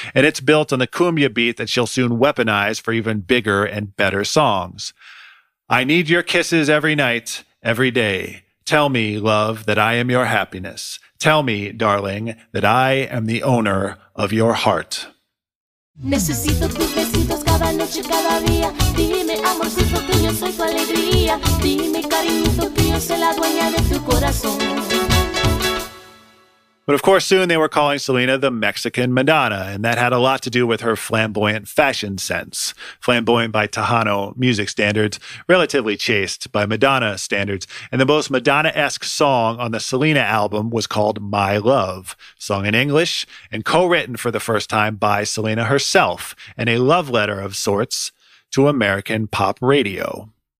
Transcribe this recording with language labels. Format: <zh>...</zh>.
<en>And it's built on the cumbia beat that she'll soon weaponize for even bigger and better songs. I need your kisses every night, every day. Tell me, love, that I am your happiness. Tell me, darling, that I am the owner of your heart.</en> <es>Necesito tus besitos cada noche, cada día. Dime, amorcito, que yo soy tu alegría. Dime, cariñito, que yo soy la dueña de tu corazón.</es> <en>But of course, soon they were calling Selena the Mexican Madonna, and that had a lot to do with her flamboyant fashion sense. Flamboyant by Tejano music standards, relatively chaste by Madonna standards, and the most Madonna-esque song on the Selena album was called My Love, sung in English and co-written for the first time by Selena herself, and a love letter of sorts to American pop radio.</en>